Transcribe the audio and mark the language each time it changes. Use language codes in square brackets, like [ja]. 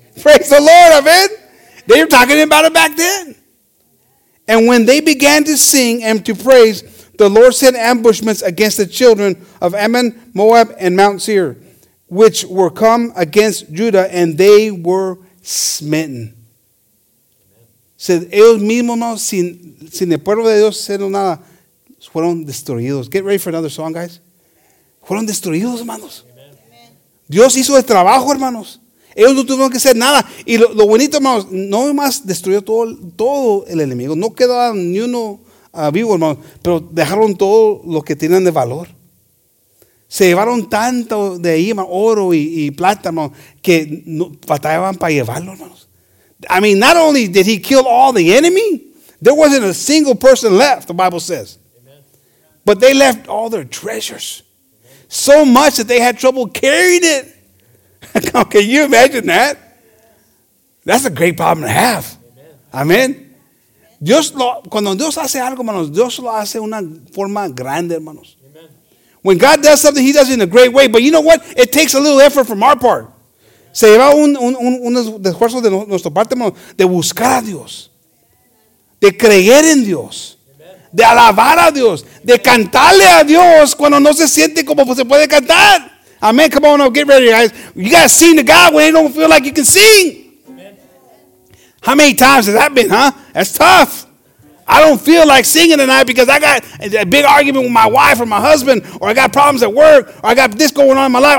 [en] Praise the Lord, amen. They were talking about it back then. And when they began to sing and to praise, the Lord sent ambushments against the children of Ammon, Moab, and Mount Seir, which were come against Judah, and they were smitten. [es] Se ellos mismos, no, sin el pueblo de Dios siendo nada, fueron destruidos. [en] Get ready for another song, guys. [es] Fueron destruidos, hermanos. Dios hizo el trabajo, hermanos. Ellos no tuvieron que hacer nada. Y lo bonito, hermanos, no más destruyó todo el enemigo. No quedaba ni uno vivo, hermanos. Pero dejaron todo lo que tenían de valor. Se llevaron tanto de ahí, hermanos, oro y plata, hermanos, que no, batallaban para llevarlo, hermanos. [en] I mean, not only did he kill all the enemy, there wasn't a single person left, the Bible says. Amen. But they left all their treasures. So much that they had trouble carrying it. Can you imagine that? That's a great problem to have. Amen. [es] Dios lo, cuando Dios hace algo, hermanos, Dios lo hace una forma grande, hermanos. [en] When God does something, he does it in a great way. But you know what? It takes a little effort from our part. [es] Se lleva un esfuerzo de nuestra parte, hermanos, de buscar a Dios. De creer en Dios. De alabar a Dios. De cantarle a Dios cuando no se siente como se puede cantar. [en] Amen. Come on up. Get ready, guys. You got to sing to God when you don't feel like you can sing. Amen. How many times has that been, huh? That's tough. I don't feel like singing tonight because I got a big argument with my wife or my husband, or I got problems at work, or I got this going on in my life.